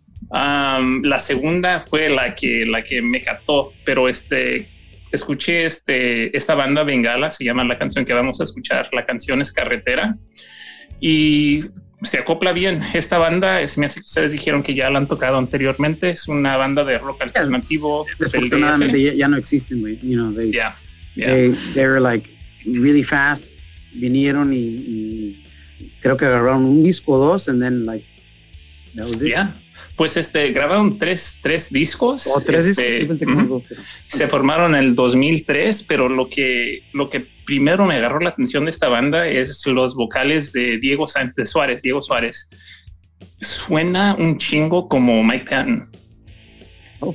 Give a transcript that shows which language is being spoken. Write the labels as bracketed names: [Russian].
[Spanish] La segunda fue la que me captó, pero escuché esta banda Bengala, se llama la canción que vamos a escuchar, la canción es Carretera, y se acopla bien. Esta banda, se me hace que ustedes dijeron que ya la han tocado anteriormente, es una banda de rock alternativo. Desafortunadamente ya no existen, güey. [English] You know, they were like really fast, [Spanish] vinieron y creo que agarraron un disco o dos, [English] and then like that was it. [Spanish] Yeah. Pues grabaron tres discos. Se formaron en el 2003, pero lo que primero me agarró la atención de esta banda es los vocales de Diego Suárez. Suena un chingo como Mike Patton. Oh.